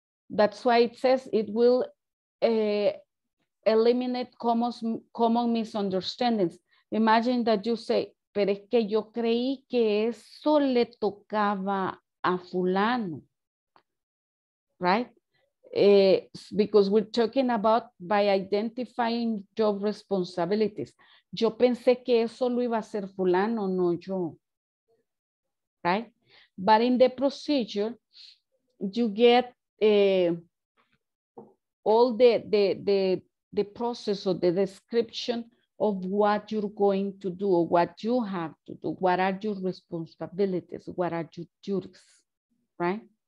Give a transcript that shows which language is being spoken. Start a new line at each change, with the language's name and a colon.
English: That's why it says it will eliminate common misunderstandings.
Spanish: Imagine that you say, pero es que yo creí que eso le tocaba a fulano. Right?
English: Because we're talking about by identifying job responsibilities.
Spanish: Yo pensé que eso lo iba a hacer fulano, no yo.
English: Right? But in the procedure, you get all the process or the description of what you're going to do or what you have to do. What are your responsibilities? What are your duties? Right?